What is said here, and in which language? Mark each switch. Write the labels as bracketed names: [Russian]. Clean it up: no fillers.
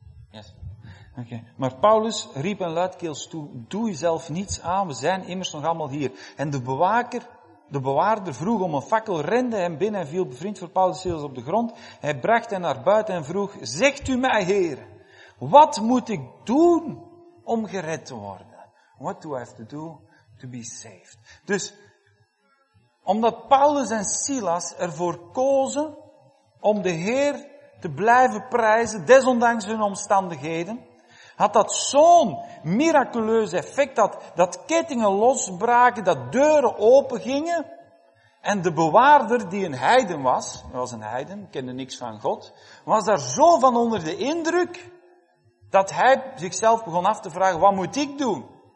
[English] Yes. Okay. [Dutch] Maar Paulus riep een luidkeels toe, doe jezelf niets aan, we zijn immers nog allemaal hier. En de bewaarder vroeg om een fakkel, rende hem binnen en viel bevriend voor Paulus en Silas op de grond. Hij bracht hen naar buiten en vroeg, zegt u mij, Heer, wat moet ik doen om gered te worden? [English] What do I have to do to be saved? [Dutch] Dus, omdat Paulus en Silas ervoor kozen om de Heer te blijven prijzen, desondanks hun omstandigheden, had dat zo'n miraculeus effect dat kettingen losbraken, dat deuren open gingen en de bewaarder, die een heiden was, hij was een heiden, kende niks van God, was daar zo van onder de indruk dat hij zichzelf begon af te vragen, wat moet ik doen?